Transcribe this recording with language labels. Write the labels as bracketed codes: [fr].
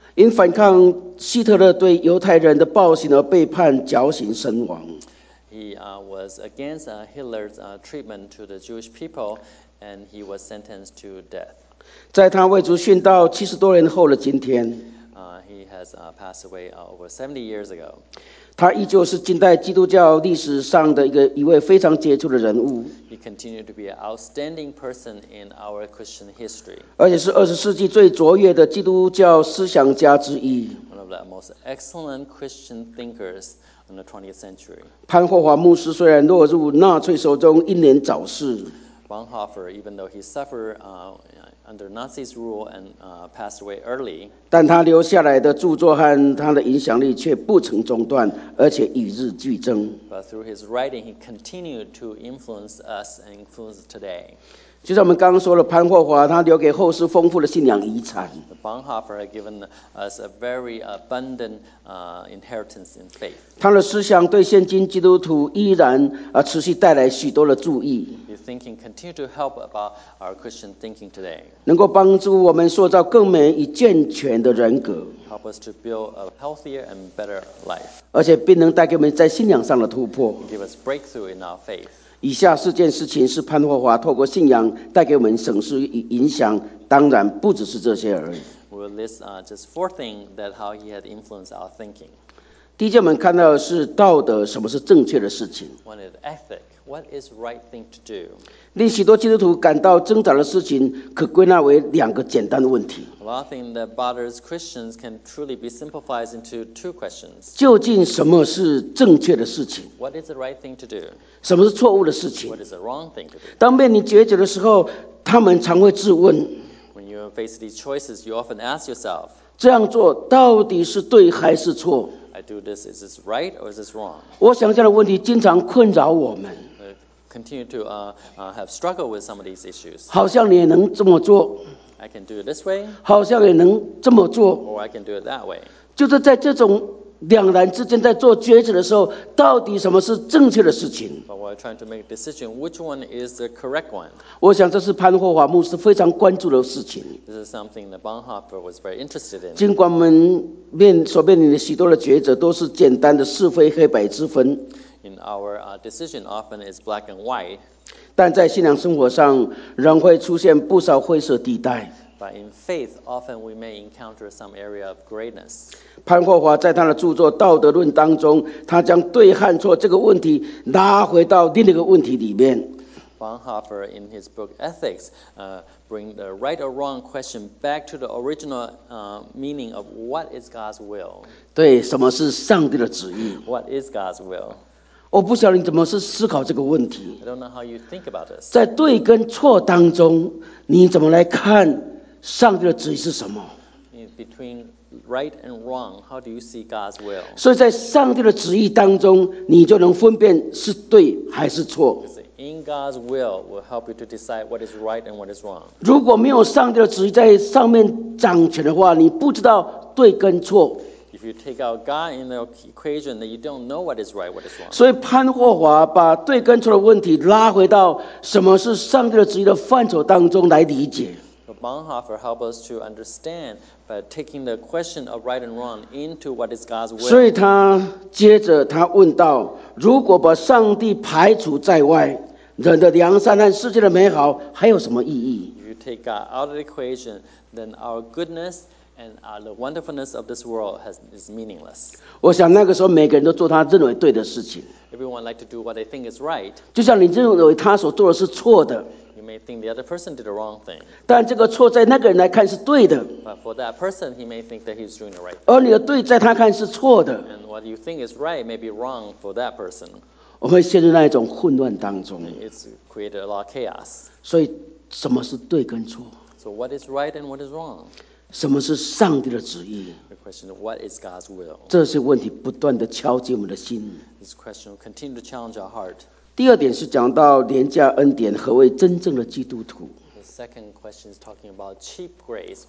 [zh] 因反抗希特勒对犹太人的暴行而被判绞刑身亡。 [en] He was against Hitler's treatment to the Jewish people, and he was sentenced to death. [zh] 在他为主殉道七十多年后的今天。 [en] He has passed away over 70 years ago. [zh] 他依旧是近代基督教历史上的一位非常杰出的人物。 [en] He continued to be an outstanding person in our Christian history. [zh] 而且是二十世纪最卓越的基督教思想家之一。 [en] One of the most excellent Christian thinkers in the 20th century. [zh] 潘霍华牧师虽然落入纳粹手中，英年早逝。 [en] Bonhoeffer, even though he suffered. Under Nazi's rule and passed away early. [zh] 但他留下来的著作和他的影响力却不曾中断，而且与日俱增。 [en] But through his writing, he continued to influence us and influence today. [zh] 就像我们刚刚说的，潘霍华他留给后世丰富的信仰遗产。 [en] Bonhoeffer had given us a very abundant inheritance in faith. [zh] 他的思想对现今基督徒依然持续带来许多的注意。 [en] His thinking continues to help about our Christian thinking today. [zh] 能够帮助我们塑造更美与健全的人格。 [en] Help us to build a healthier and better life. [zh] 而且并能带给我们在信仰上的突破。 [en] Give us breakthrough in our faith. [zh] 以下四件事情是潘霍华透过信仰带给我们省思与影响，当然不只是这些而已。 [en] We'll list just four things that how he had influenced our thinking. [zh] 第一件我们看到的是道德，什么是正确的事情。 [en] One is ethic, what is right thing to do? [zh] 令许多基督徒感到挣扎的事情，可归纳为两个简单的问题。 [en] A lot of things that bothers Christians can truly be simplified into two questions. [zh] 究竟什么是正确的事情 [en] ？What is the right thing to do? [zh] 什么是错误的事情 [en] ？What is the wrong thing to do? [zh] 当面临抉择的时候，他们常会质问。 [en] When you face these choices, you often ask yourself, [zh] 这样做到底是对还是错 [en] ？I do this. Is this right or is this wrong? [zh] 我想这样的问题经常困扰我们。 [en] Continue to have struggled with some of these issues. [zh] 好像你也能这么做。 [en] I can do it this way. [zh] 好像也能这么做。 [en] Or I can do it that way. [zh] 就是在这种两难之间，在做抉择的时候，到底什么是正确的事情 [en] ？But we're trying to make a decision. Which one is the correct one? [zh] 我想这是潘霍华牧师非常关注的事情。 [en] This is something that Bonhoeffer was very interested in. [zh] 尽管我们所面临的许多的抉择都是简单的是非黑白之分。 [en] In our decision, often is black and white. [zh] 但在信仰生活上，仍会出现不少灰色地带。 [en] But in faith, often we may encounter some area of grayness. [zh] 潘霍华在他的著作《道德论》当中，他将对和错这个问题拉回到另一个问题里面。 [en] Bonhoeffer, in his book Ethics, bring the right or wrong question back to the original meaning of what is God's will. [zh] 对，什么是上帝的旨意 [en] ？What is God's will? [zh] 我不晓得你怎么是思考这个问题。 [en] I don't know how you think about this. [zh] 在对跟错当中，你怎么来看上帝的旨意是什么 [en] ？Between right and wrong, how do you see God's will? [zh] 所以在上帝的旨意当中，你就能分辨是对还是错。 [en] In God's will help you to decide what is right and what is wrong. [zh] 如果没有上帝的旨意在上面掌权的话，你不知道对跟错。 [en] If you take out God in the equation, then you don't know what is right, what is wrong. [zh] 所以潘霍华把对跟错的问题拉回到什么是上帝的旨意的范畴当中来理解。 [en] So Bonhoeffer helps us to understand by taking the question of right and wrong into what is God's will. [zh] 所以他接着他问到：如果把上帝排除在外，人的良善和世界的美好还有什么意义 [en] ？If you take God out of the equation, then our goodness. And the wonderfulness of this world is meaningless. [zh] 我想那个时候每个人都做他认为对的事情。 [en] Everyone like to do what they think is right. [zh] 就像你认为他所做的是错的。 [en] You may think the other person did the wrong thing. [zh] 但这个错在那个人来看是对的。 [en] But for that person, he may think that he's doing the right. [zh] 而你的对在他看是错的。 [en] And what you think is right may be wrong for that person. [zh] 我们陷入那一种混乱当中。 [en] It's created a lot of chaos. [zh] 所以什么是对跟错 [en] ？So what is right and what is wrong? [zh] 什么是上帝的旨意 [en] ？The question of what is God's will. [zh] 这些问题不断地敲击我们的心。 [en] This question will continue to challenge our heart. [zh] 第二点是讲到廉价恩典，何谓真正的基督徒 [en] ？The second question is talking about cheap grace.